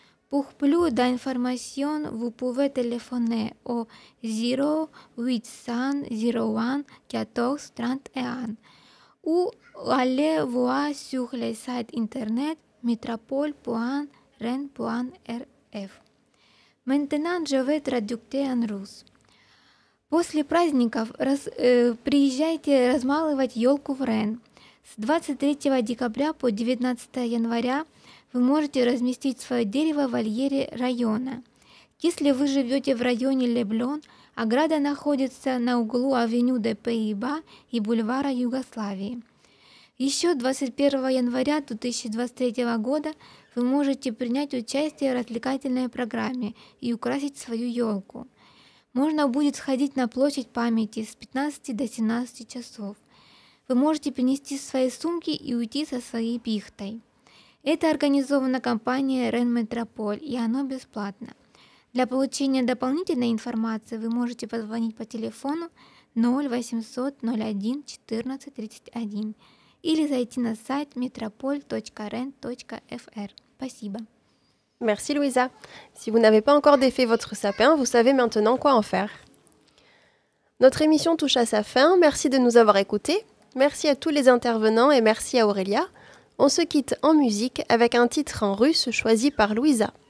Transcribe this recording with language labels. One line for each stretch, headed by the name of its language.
French: Pour plus d'informations, vous pouvez téléphoner au 0801 14 31 ou aller voir sur le site internet metropole.ren.rf. Maintenant, je vais traduire en russe.
Russian: После праздников приезжайте размалывать елку в Рен. С 23 декабря по 19 января вы можете разместить свое дерево в вольере района. Если вы живете в районе Леблен, ограда находится на углу авеню де Пейба и бульвара Югославии. Еще 21 января 2023 года вы можете принять участие в развлекательной программе и украсить свою елку. Можно будет сходить на площадь памяти с 15 до 17 часов. Вы можете принести свои сумки и уйти со своей пихтой. Это организовано компанией Рен Метрополь, и оно бесплатно. Для получения дополнительной информации вы можете позвонить по телефону 0800 01 14 31 или зайти на сайт metropole.ren.fr. Спасибо.
French: Merci Louisa. Si vous n'avez pas encore défait votre sapin, vous savez maintenant quoi en faire. Notre émission touche à sa fin. Merci de nous avoir écoutés. Merci à tous les intervenants et merci à Aurélia. On se quitte en musique avec un titre en russe choisi par Louisa.